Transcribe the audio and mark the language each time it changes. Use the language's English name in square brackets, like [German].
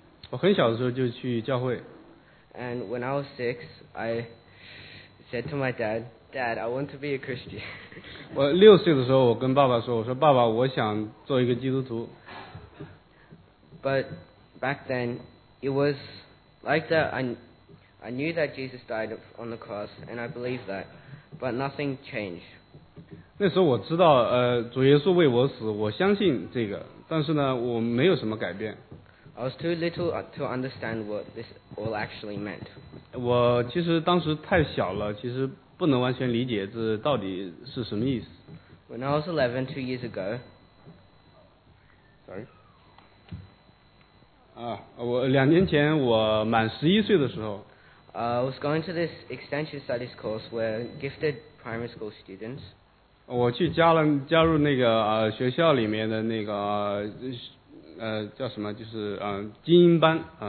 [Chinese] 我很小的时候就去教会。 [English] And when I was six, I said to my dad, "Dad, I want to be a Christian." [Chinese] 我六岁的时候，我跟爸爸说，我说爸爸，我想做一个基督徒。 [English] But back then, it was like that. I knew that Jesus died on the cross, and I believed that, but nothing changed. [Chinese] 那时候我知道，主耶稣为我死，我相信这个，但是呢，我没有什么改变。 [English] I was too little to understand what this all actually meant. [Chinese] 我其实当时太小了，其实不能完全理解这到底是什么意思。 [English] When I was 11, 2 years ago. Sorry. [Chinese] 我两年前我满十一岁的时候 [English] I was going to this extension studies course where gifted primary school students [Chinese] 我去加入那个学校里面的那个叫什么就是精英班